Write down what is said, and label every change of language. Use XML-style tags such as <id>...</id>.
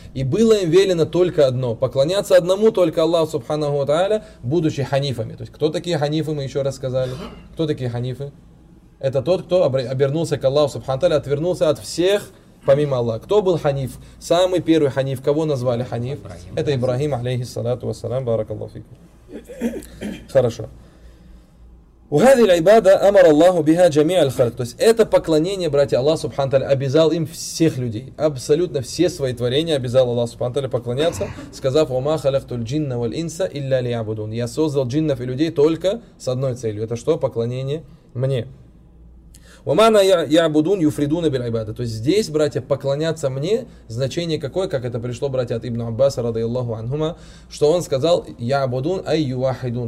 <ru>И было им велено только одно, поклоняться одному только Аллаху Субхану Тааля, будучи ханифами. То есть кто такие ханифы, мы еще раз сказали. Кто такие ханифы? Это тот, кто обернулся к Аллаху Субхану Тааля, отвернулся от всех, помимо Аллаха. Кто был ханиф? Самый первый ханиф. Кого назвали ханиф? Это Ибрахим, алейхи салату вассалам. Баракаллаху фикум. Хорошо.</ru> <ar>وهذه العباده امر الله بها جميع الخلق.</ar> <ru>То есть это поклонение, братья, Аллах Субхану Тааля обязал им всех людей, абсолютно все свои творения обязал Аллах Субхану Тааля поклоняться, сказав: "Ума халактул джинна валь инса илля лиябудун". Я создал джиннов и людей только с одной целью. Это что? Поклонение мне. Умана ябудун юфридуна биль ибада. То есть здесь, братья, поклоняться мне, значение какое, как это пришло, братья, от Ибн Аббаса, радиаллаху анхума, что он сказал, ябудун ай ювахидун.</ru>